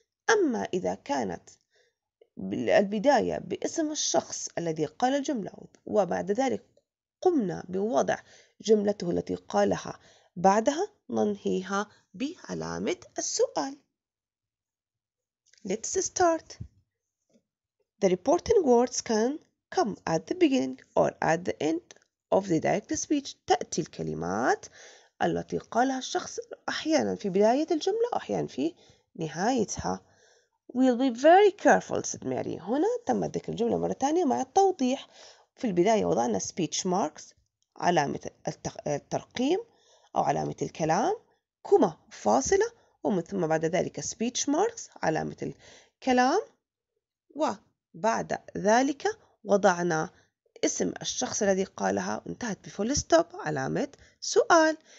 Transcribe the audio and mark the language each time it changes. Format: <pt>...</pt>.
<ar>أما إذا كانت البداية باسم الشخص الذي قال الجملة وبعد ذلك قمنا بوضع جملته التي قالها بعدها، ننهيها بعلامة السؤال.</ar> <en>Let's start. The reporting words can come at the beginning or at the end of the direct speech.</en> <ar>تأتي الكلمات التي قالها الشخص أحيانا في بداية الجملة وأحيانا في نهايتها.</ar> <en>We'll be very careful said Mary.</en> <ar>هنا تم ذكر الجملة مرة ثانية مع التوضيح. في البداية وضعنا speech marks علامة الترقيم أو علامة الكلام، كما فاصلة، ومن ثم بعد ذلك speech marks علامة الكلام، وبعد ذلك وضعنا اسم الشخص الذي قالها، انتهت بفول ستوب علامة سؤال.</ar>